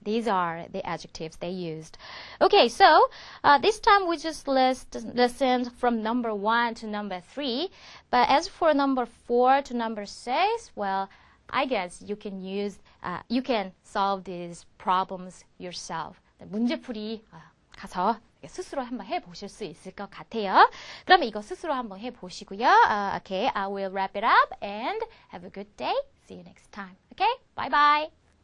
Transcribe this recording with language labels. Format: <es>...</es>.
<en>These are the adjectives they used. Okay, so this time we just listened from number one to number three. But as for number four to number six, well, I guess you can use, you can solve these problems yourself.</en> <ko>문제풀이 가서 스스로 한번 해보실 수 있을 것 같아요. 그러면 이거 스스로 한번 해보시고요.</ko> <en>Okay, I will wrap it up and have a good day. See you next time. Okay, bye bye.</en>